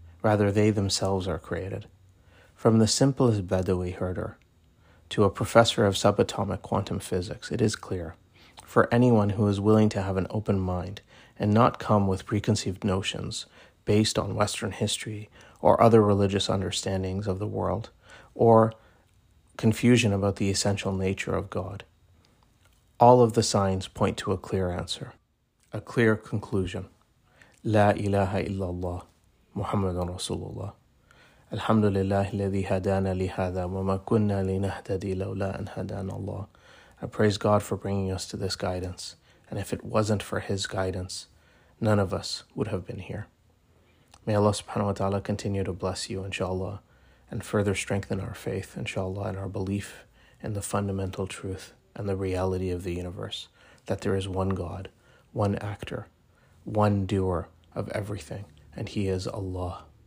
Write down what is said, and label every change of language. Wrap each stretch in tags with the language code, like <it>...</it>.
<en>Rather, they themselves are created. From the simplest Bedouin herder to a professor of subatomic quantum physics, it is clear, for anyone who is willing to have an open mind and not come with preconceived notions based on Western history or other religious understandings of the world or confusion about the essential nature of God, all of the signs point to a clear answer, a clear conclusion.</en> <ar>La ilaha illallah, Muhammadun Rasulullah. الحمد لله الذي هدانا لهذا وما كنا لنهتدي لولا أن هدانا الله.</ar> <en>I praise God for bringing us to this guidance, and if it wasn't for His guidance, none of us would have been here. May Allah subhanahu wa ta'ala continue to bless you, inshallah, and further strengthen our faith, inshallah, and our belief in the fundamental truth and the reality of the universe, that there is one God, one actor, one doer of everything, and He is Allah.</en>